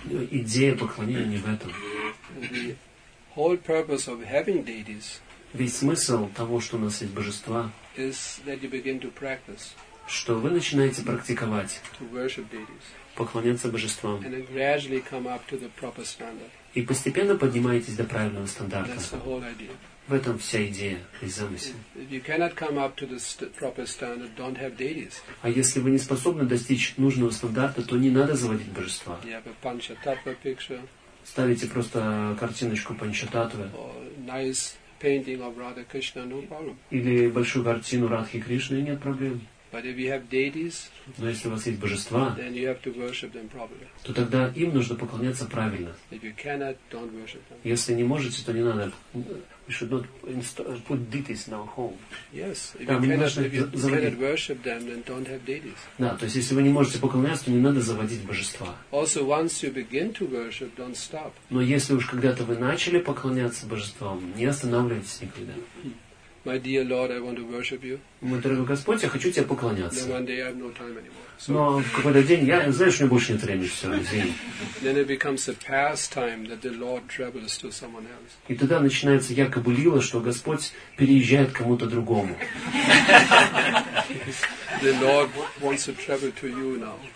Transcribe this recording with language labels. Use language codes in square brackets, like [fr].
[ru] Идея поклонения не в этом. [en] Deities, [ru] весь смысл того, что у нас есть божества, [en] practice, [ru] что вы начинаете практиковать поклоняться божествам. [en] And gradually come up to the proper standard. [ru] И постепенно поднимаетесь до правильного стандарта. [en] That's the whole idea. [ru] В этом вся идея и замысел. [en] If you cannot come up to the proper standard, don't have deities. [ru] А если вы не способны достичь нужного стандарта, то не надо заводить божества. [en] You have a Панчататва picture. [ru] Ставите просто картиночку Панчататвы. [en] Or nice painting of Radha Krishna, no problem. [ru] Или большую картину Радхи Кришны, нет проблем. [en] But if you have deities, [ru] но если у вас есть божества, [en] then you have to worship them properly. [ru] То тогда им нужно поклоняться правильно. [en] If you cannot, don't worship them. Если не можете, то не надо. We should not put deities in our home. Yes. If you cannot worship them, then don't have deities. [ru] Да, то есть если вы не можете поклоняться, то не надо заводить божества. [en] Also, once you begin to worship, don't stop. [ru] Но если уж когда-то вы начали поклоняться божествам, не останавливайтесь никогда. [en] My dear Lord, I want to worship you. [ru] Мой дорогой Господь, я хочу тебе поклоняться. [en] Then one day I have no time anymore. [ru] So, но в какой-то день, я, знаешь, у меня больше нет времени, все, извини. [en] Then it becomes a pastime that the Lord travels to someone else. [ru] И тогда начинается якобы лила, что Господь переезжает к кому-то другому. [en] The Lord wants to travel to you now.